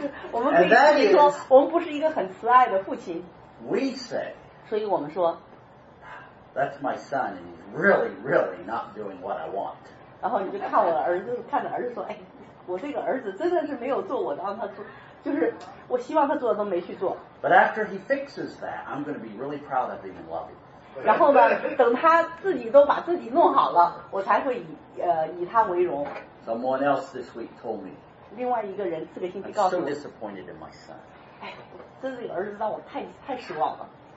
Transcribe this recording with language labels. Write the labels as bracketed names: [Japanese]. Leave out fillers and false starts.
[Chinese] 我们可以自己说，我们不是一个很慈爱的父亲。 [English] We say. [Chinese] 所以我们说。 [English] That's my son, and he's really, really not doing what I want. [Chinese] 然后你就看我的儿子，看着儿子说，哎。我这个儿子真的是没有做我让他做，就是我希望他做的都没去做。 [English] But after he fixes that, I'm going to be really proud of him and love him. [Chinese] 然后呢，等他自己都把自己弄好了，我才会以他为荣。 [English] Someone else this week told me. [Chinese] 另外一个人这个星期告诉我。 [English] I'm so disappointed in my son. [Chinese] 哎，这个儿子让我太失望了。